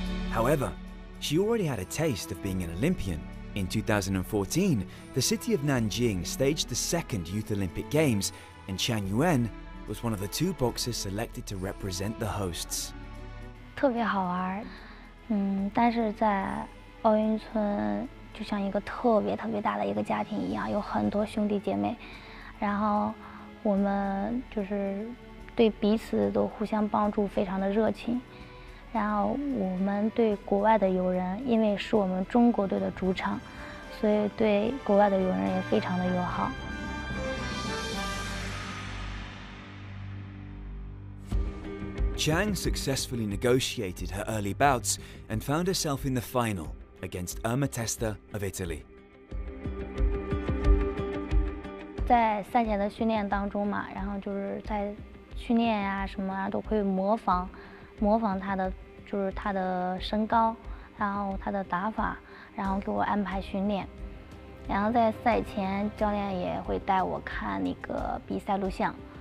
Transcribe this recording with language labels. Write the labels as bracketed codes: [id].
[en] However, she already had a taste of being an Olympian. In 2014, the city of Nanjing staged the second Youth Olympic Games, and Chan Yuan was one of the two boxers selected to represent the hosts. [zh] 特别好玩，但是在奥运村就像一个特别特别大的一个家庭一样，有很多兄弟姐妹，然后我们就是对彼此都互相帮助，非常的热情。然后我们对国外的友人，因为是我们中国队的主场，所以对国外的友人也非常的友好。 [en] Chang successfully negotiated her early bouts and found herself in the final against Irma Testa of Italy. [zh] 在赛前的训练当中嘛，然后就是在训练呀、什么啊，都会模仿她的，就是她的身高，然后她的打法，然后给我安排训练。然后在赛前，教练也会带我看那个比赛录像。